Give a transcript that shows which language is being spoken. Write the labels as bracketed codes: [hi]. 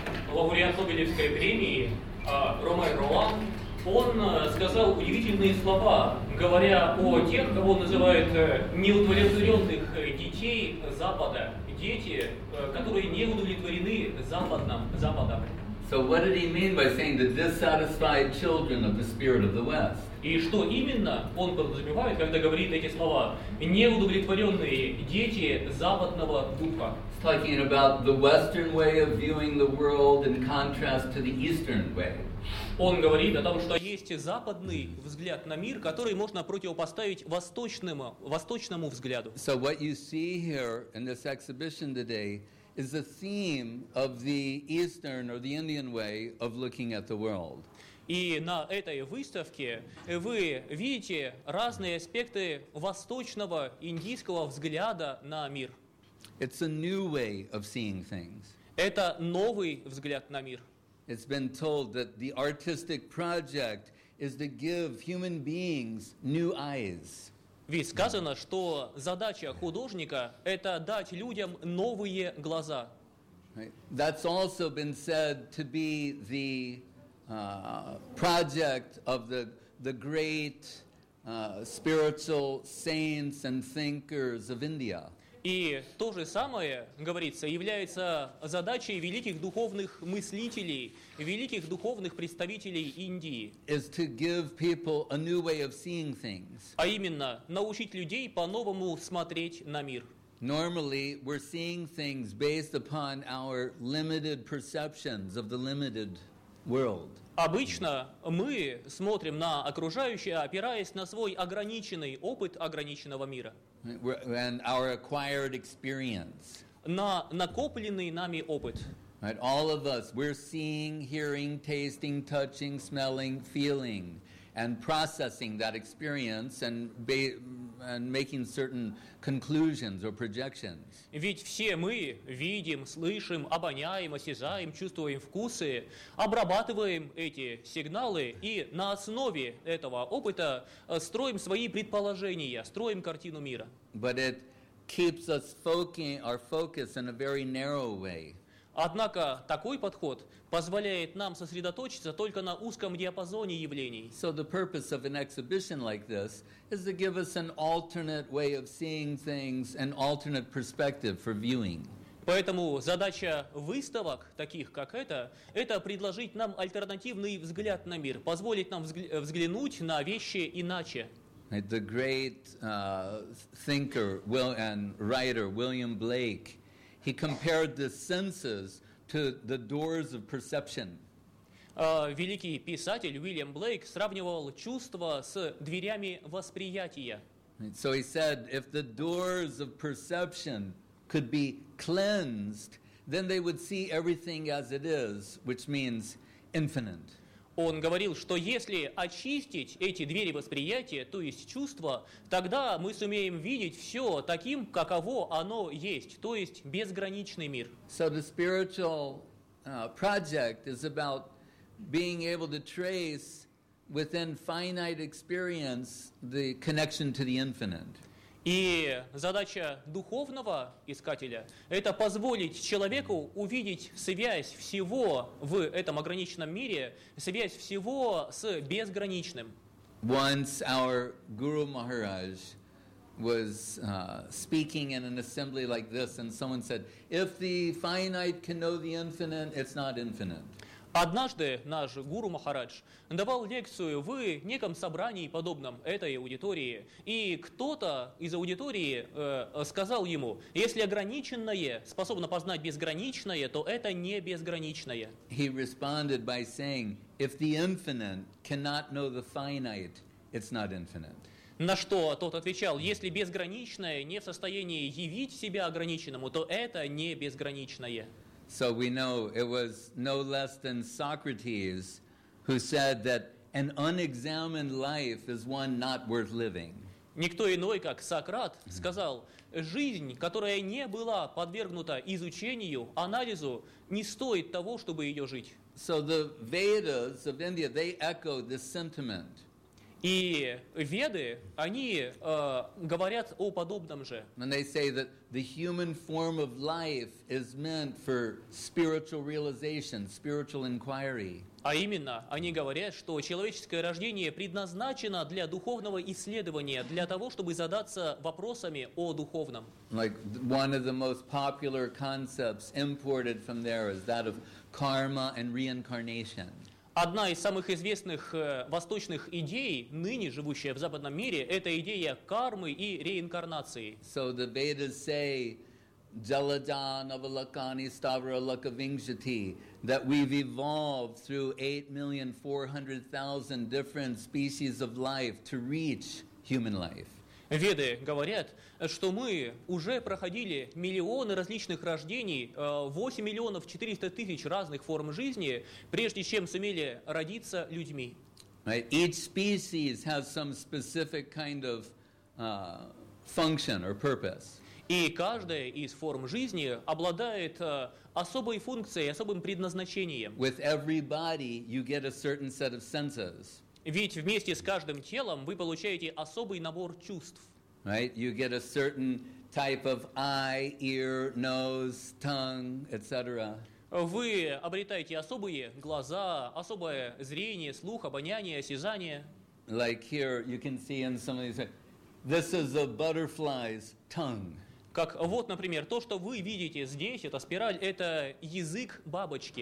[ru] Лауреат Нобелевской премии Ромей Роланд, он сказал удивительные слова, говоря о тех, кого он называет неудовлетворенных детей Запада, дети, которые не удовлетворены Западом. [en] So what did he mean by saying the dissatisfied children of the spirit of the West? [ru] И что именно он подразумевает, когда говорит эти слова, неудовлетворенные дети западного духа? [en] He's talking about the Western way of viewing the world in contrast to the Eastern way. [ru] Он говорит о том, что есть западный взгляд на мир, который можно противопоставить восточному взгляду. [en] So what you see here in this exhibition today is the theme of the Eastern or the Indian way of looking at the world. [ru] И на этой выставке вы видите разные аспекты восточного индийского взгляда на мир. [en] It's a new way of seeing things. [ru] Это новый взгляд на мир. [en] It's been told that the artistic project is to give human beings new eyes. [ru] Ведь сказано, что задача художника — это дать людям новые глаза. [en] That's also been said to be the project of the great spiritual saints and thinkers of India. [ru] И то же самое, говорится, является задачей великих духовных мыслителей, великих духовных представителей Индии. [en] Is to give people a new way of seeing things. [ru] А именно, научить людей по-новому смотреть на мир. [en] Normally, we're seeing things based upon our limited perceptions of the limited world. [ru] Обычно мы смотрим на окружающее, опираясь на свой ограниченный опыт ограниченного мира. [en] And our acquired experience. [ru] На накопленный нами опыт. [en] Right, all of us, we're seeing, hearing, tasting, touching, smelling, feeling, and processing that experience and making certain conclusions or projections. [ru] Ведь все мы видим, слышим, обоняем, осязаем, чувствуем вкусы, обрабатываем эти сигналы и на основе этого опыта строим свои предположения, строим картину мира. [en] But it keeps us our focus in a very narrow way. [ru] Однако такой подход позволяет нам сосредоточиться только на узком диапазоне явлений. [en] So the purpose of an exhibition like this is to give us an alternate way of seeing things, an alternate perspective for viewing. [ru] Поэтому задача выставок, таких как эта, это предложить нам альтернативный взгляд на мир, позволить нам взглянуть на вещи иначе. [en] The great thinker and writer William Blake, he compared the senses to the doors of perception. [ru] Великий писатель Уильям Блейк сравнивал чувства с дверями восприятия. [en] So he said, if the doors of perception could be cleansed, then they would see everything as it is, which means infinite. [ru] Он говорил, что если очистить эти двери восприятия, то есть чувства, тогда мы сумеем видеть все таким, каково оно есть, то есть безграничный мир. [en] So the spiritual project is about being able to trace within finite experience the connection to the infinite. [ru] И задача духовного искателя — это позволить человеку увидеть связь всего в этом ограниченном мире, связь всего с безграничным. [en] Once our Guru Maharaj was speaking in an assembly like this, and someone said, if the finite can know the infinite, it's not infinite. [ru] Однажды наш гуру Махарадж давал лекцию в неком собрании подобном этой аудитории, и кто-то из аудитории сказал ему, если ограниченное способно познать безграничное, то это не безграничное. [en] He responded by saying, if the infinite cannot know the finite, it's not infinite. [ru] На что тот отвечал, если безграничное не в состоянии явить себя ограниченному, то это не безграничное. [en] So we know it was no less than Socrates who said that an unexamined life is one not worth living. [ru] Никто иной, как Сократ, сказал, жизнь, которая не была подвергнута изучению, анализу, не стоит того, чтобы ее жить. [en] So the Vedas of India, they echo this sentiment. [ru] И Веды, они говорят о подобном же. [en] And they say that the human form of life is meant for spiritual realization, spiritual inquiry. [ru] А именно, они говорят, что человеческое рождение предназначено для духовного исследования, для того, чтобы задаться вопросами о духовном. [en] Like one of the most popular concepts imported from there is that of karma and reincarnation. [ru] Одна из самых известных восточных идей, ныне живущая в западном мире, это идея кармы и реинкарнации. [en] So the Vedas say, [sa] Jaladana Valakani Stavra Lakavingjati, [en] that we've evolved through 8,400,000 different species of life to reach human life. [ru] Веды говорят, что мы уже проходили миллионы различных рождений, 8,400,000 разных форм жизни, прежде чем сумели родиться людьми. [en] Right. Each species has some specific kind of function or purpose. [ru] И каждая из форм жизни обладает особой функцией, особым предназначением. [en] With every body you get a certain set of senses. [ru] Ведь вместе с каждым телом вы получаете особый набор чувств. [en] Right? You get a certain type of eye, ear, nose, tongue, etc. [ru] Вы обретаете особые глаза, особое зрение, слух, обоняние, осязание. [en] Like here, you can see in some of these, this is a butterfly's tongue. [ru] Как вот, например, то, что вы видите здесь, это спираль, это язык бабочки.